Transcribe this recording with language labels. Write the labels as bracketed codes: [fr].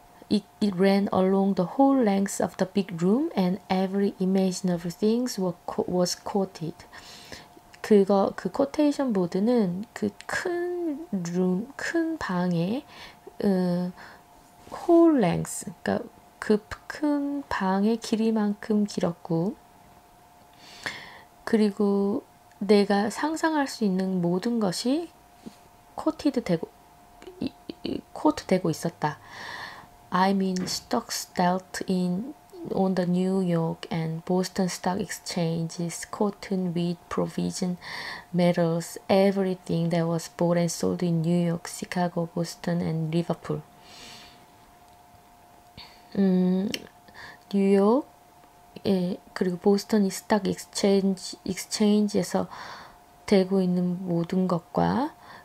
[en] It ran along the whole length of the big room and every imaginable things was quoted. [ko] 그 코테이션 보드는 그 큰 룸, 큰 방에 [en] whole length, [ko] 그러니까 그 큰 방의 길이만큼 길었고 그리고 내가 상상할 수 있는 모든 것이 코트되고 있었다. [en] I mean stocks dealt in on the New York and Boston stock exchanges, cotton, wheat, provision, metals, everything that was bought and sold in New York, Chicago, Boston and Liverpool. [ko] 뉴욕 예, 그리고 보스턴 스탁 익스체인지에서 되고 있는 모든 것과